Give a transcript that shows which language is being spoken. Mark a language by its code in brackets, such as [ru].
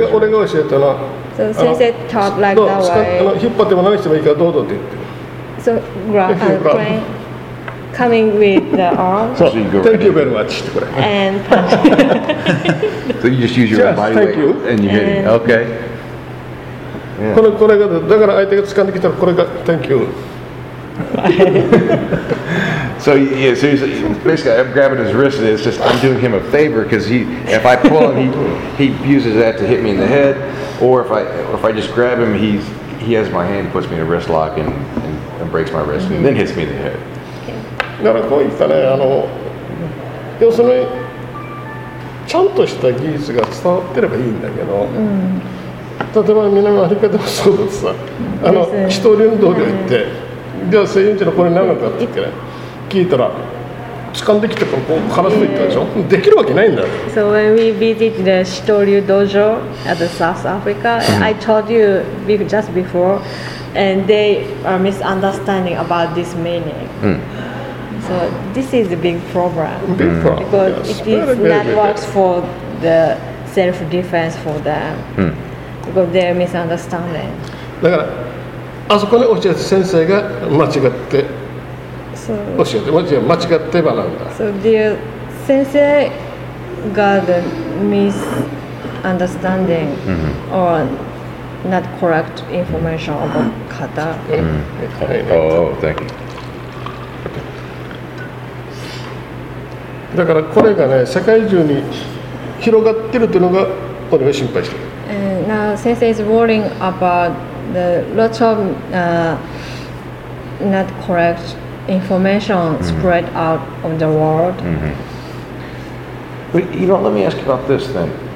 [en] so sensei taught like that way. So pull it, whatever you want, do it. So grab a plane, coming with the arm. So you go. Thank you very much. And so you just use your body weight and you hit it. Okay. [ja] これがだから相手が掴んできたらこれが [en] thank you. So yeah, so basically I'm grabbing his wrist and it's just I'm doing him a favor because he, if I pull him, he uses that to hit me in the head, or if I just grab him, he has my hand, puts me in a wrist lock and breaks my wrist、mm-hmm. and then hits me in the head. [ja] だからこういったね、要するにちゃんとした技術が伝わってればいいんだけど、例えば南アフリカでもそうだった。一人運動行って、じゃあ正円錐のこれ何なのかって言ってね。聞いたら掴んできてからこう話すと言ったでしょ、yeah. できるわけないんだよ。 [en] So when we visit the Shitoryu Dojo at South Africa, I told you just before, and they are misunderstanding about this meaning. So this is a big problem. Big problem. Because、 yes. it is not works for the self-defense for them.、Because they are misunderstanding. [ja] だからあそこに教えた先生が間違ってそう教えて、もちろん間違って学んだ。 [en] So, dear, 先生が the misunderstanding、mm-hmm. or not correct information about kata. Oh, thank [ja] you. だからこれがね、世界中に広がってるというのが俺は心配してる。 [en] And now, 先生 is worrying about the lot of、not correct. Information spread out on the world. But, you know, let me ask you about this then.